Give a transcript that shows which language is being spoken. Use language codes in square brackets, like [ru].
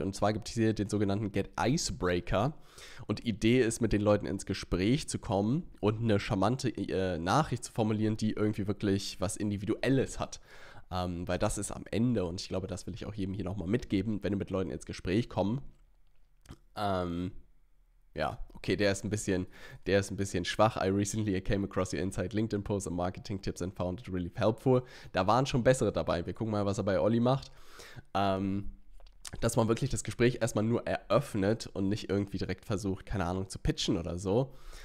[de] Und zwar gibt es hier den sogenannten Get Icebreaker. Und die Idee ist, mit den Leuten ins Gespräch zu kommen und eine charmante Nachricht zu formulieren, die irgendwie wirklich was Individuelles hat. Weil das ist am Ende, und ich glaube, das will ich auch jedem hier nochmal mitgeben, wenn du mit Leuten ins Gespräch kommst. Ja, okay, der ist ein bisschen schwach. [en] I recently came across your inside LinkedIn post on marketing tips and found it really helpful. [de] Da waren schon bessere dabei. Wir gucken mal, was er bei Olli macht. Dass man wirklich das Gespräch erstmal nur eröffnet und nicht irgendwie direkt versucht, keine Ahnung, zu pitchen oder so.